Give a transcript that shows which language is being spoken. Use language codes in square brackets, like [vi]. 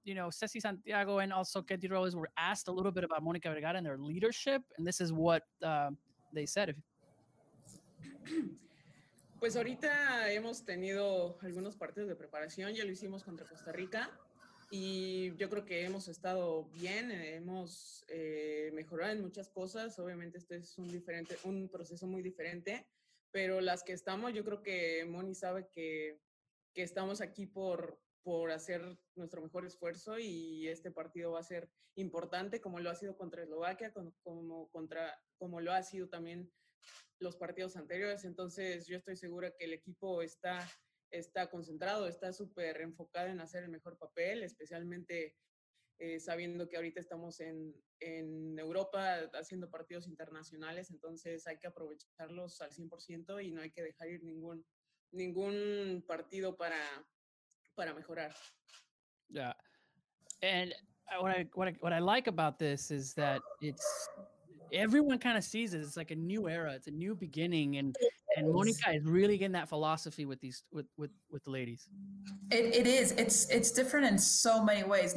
[en] Ceci Santiago and also Katie Rose were asked a little bit about Mónica Vergara and their leadership, and this is what they said. [es] Pues ahorita hemos tenido algunos partidos de preparación, ya lo hicimos contra Costa Rica, y yo creo que hemos estado bien, hemos mejorado en muchas cosas. Obviamente este es un proceso muy diferente, pero las que estamos, yo creo que Moni sabe que estamos aquí por hacer nuestro mejor esfuerzo, y este partido va a ser importante, como lo ha sido contra Eslovaquia, como lo ha sido también los partidos anteriores. Entonces, yo estoy segura que el equipo está concentrado, está súper enfocado en hacer el mejor papel, especialmente sabiendo que ahorita estamos en Europa haciendo partidos internacionales. Entonces, hay que aprovecharlos al 100% y no hay que dejar ir ningún partido para mejorar. [en] Yeah. And what I like about this is that it's everyone kind of sees it. It's like a new era. It's a new beginning. And Mónica is really getting that philosophy with the ladies. It is. It's different in so many ways.